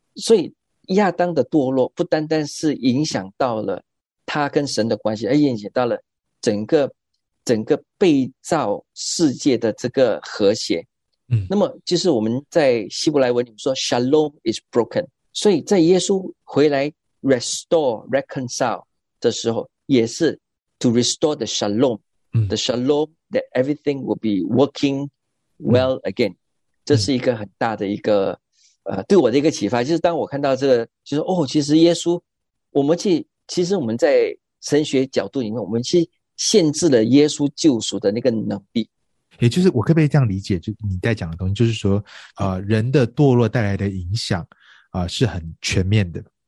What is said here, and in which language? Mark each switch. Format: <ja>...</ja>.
<zh>所以亚当的堕落不单单是影响到了他跟神的关系，而影响到了整个被造世界的这个和谐。那么就是我们在希伯来文里面说</zh> <en>Shalom is broken。</en> <zh>所以在耶稣回来</zh> <en>restore reconcile</en> <zh>的时候，也是</zh> <en>to restore the shalom, the shalom that everything will be working well again.</en> <zh>这是一个很大的一个对我的一个启发，就是当我看到这个，就是哦，其实耶稣，其实我们在神学角度里面，我们去限制了耶稣救赎的那个能力。也就是我可不可以这样理解，就你在讲的东西，就是说人的堕落带来的影响是很全面的。</zh>